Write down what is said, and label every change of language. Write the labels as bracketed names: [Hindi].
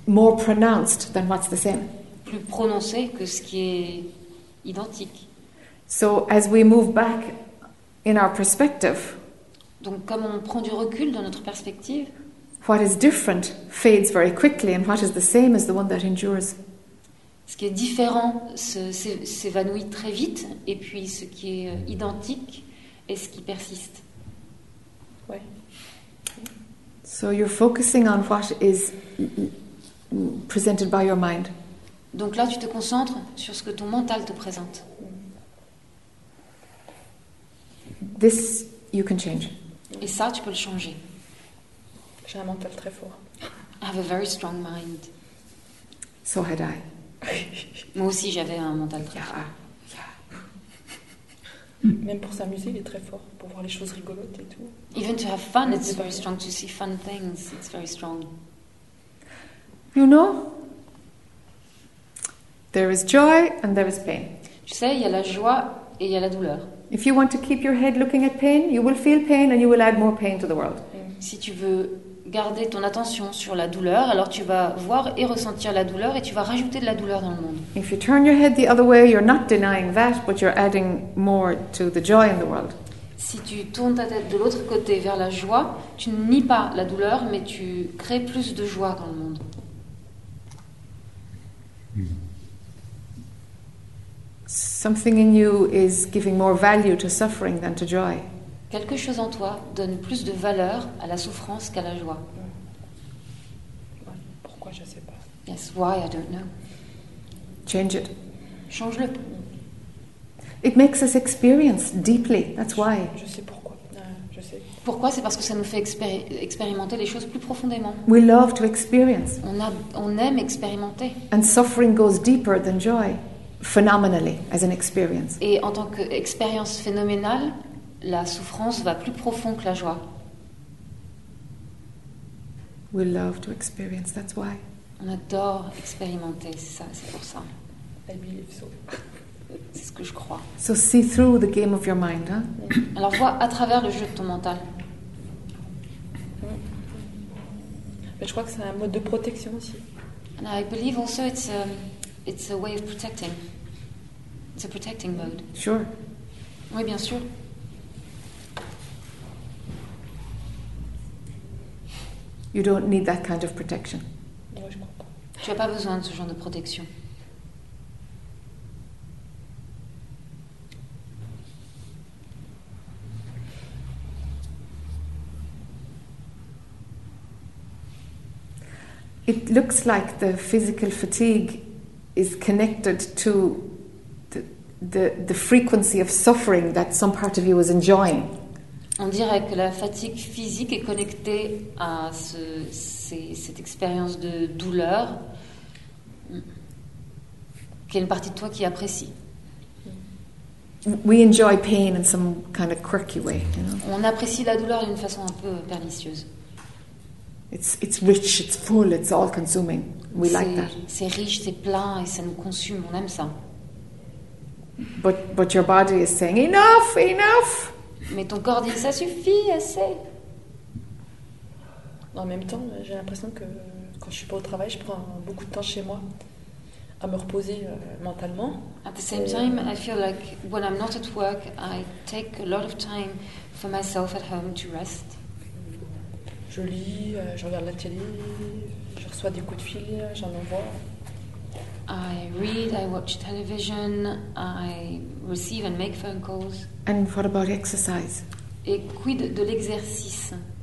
[English] More pronounced than what's the same. [French] Plus prononcé que ce qui est identique. [English] So as we move back in our perspective. [French] Donc comme on prend du recul dans notre perspective. [English] What is different fades very quickly, and what is the same is the one that endures. [French] Ce qui est différent s'évanouit très vite, et puis ce qui est identique est ce qui persiste. Ouais. [English] So you're focusing on what is presented by your mind. [French] Donc là, tu te concentres sur ce que ton mental te présente. [English] This you can change. [French] Et ça, tu peux le changer. J'ai un mental très fort. [English] I have a very strong mind. So had I. [French] Moi aussi, j'avais un mental très fort. Même pour s'amuser, il est très fort pour voir les choses rigolotes et tout. [English] Even to have fun, it's very strong to see fun things. It's very strong. You know, there is joy and there is pain. [French] Tu sais, il y a la joie et il y a la douleur. [English] If you want to keep your head looking at pain, you will feel pain and you will add more pain to the world. [French] Si tu veux garder ton attention sur la douleur, alors tu vas voir et ressentir la douleur et tu vas rajouter de la douleur dans le monde. [English] If you turn your head the other way, you're not denying that, but you're adding more to the joy in the world. [French] Si tu tournes ta tête de l'autre côté vers la joie, tu ne nies pas la douleur, mais tu crées plus de joie dans le monde. [English] Something in you is giving more value to suffering than to joy. [French] Quelque chose en toi donne plus de valeur à la souffrance qu'à la joie. Pourquoi, je sais pas. [English] Yes, why, I don't know. Change it. [French] Change-le. [English] It makes us experience deeply, that's why. [French] Je sais pourquoi. Je sais. Pourquoi? C'est parce que ça nous fait expérimenter les choses plus profondément. [English] We love to experience. [French] On aime expérimenter. [English] And suffering goes deeper than joy, phenomenally, as an experience. [French] Et en tant qu'expérience phénoménale, la souffrance va plus profond que la joie. [English] We love to experience, that's why. [French] On adore expérimenter, c'est pour ça. [English] I believe so. [French] C'est ce que je crois. [English] So see through the game of your mind, huh? [French] Alors vois à travers le jeu de ton mental. Mais je crois que c'est un mode de protection aussi. [English] And I believe also it's a way of protecting. It's a protecting mode. Sure. [French] Oui, bien sûr. [English] You don't need that kind of protection. [French] Tu n'as pas besoin de ce genre de protection. [English] It looks like the physical fatigue is connected to the frequency of suffering that some part of you is enjoying. [French] On dirait que la fatigue physique est connectée à cette expérience de douleur, qui est une partie de toi qui apprécie. [English] We enjoy pain in some kind of quirky way, you know? [French] On apprécie la douleur d'une façon un peu pernicieuse. [English] It's rich, it's full, it's all consuming. We like that. [French] C'est riche, c'est plein et ça nous consume. On aime ça. [English] But your body is saying enough, enough. [French] Mais ton corps dit ça suffit assez. En même temps, j'ai l'impression que quand je suis pas au travail, je prends beaucoup de temps chez moi à me reposer mentalement. [English] At the same time, I feel like when I'm not at work, I take a lot of time for myself at home to rest. [French] Je lis, je regarde la télé, je reçois des coups de fil, j'en envoie. [English] I read, I watch television, I receive and make phone calls. And what about exercise? [French] Et quid de l'exercice?